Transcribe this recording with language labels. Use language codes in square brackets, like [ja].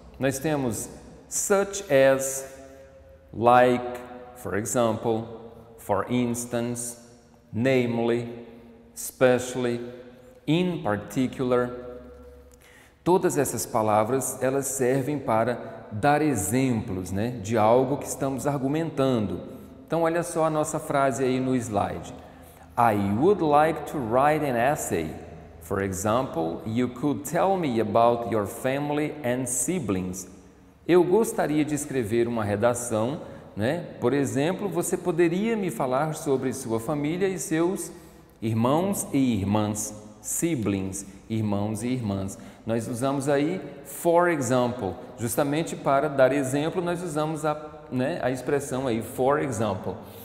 [pt] Nós temos [en] such as, like, for example, for instance, namely, especially, in particular. [pt] Todas essas palavras, elas servem para dar exemplos, né, de algo que estamos argumentando. Então, olha só a nossa frase aí no slide. [en] I would like to write an essay. For example, you could tell me about your family and siblings. [pt] Eu gostaria de escrever uma redação, né? Por exemplo, você poderia me falar sobre sua família e seus irmãos e irmãs, siblings, irmãos e irmãs. Nós usamos aí for example, justamente para dar exemplo, nós usamos a, né, a expressão aí for example.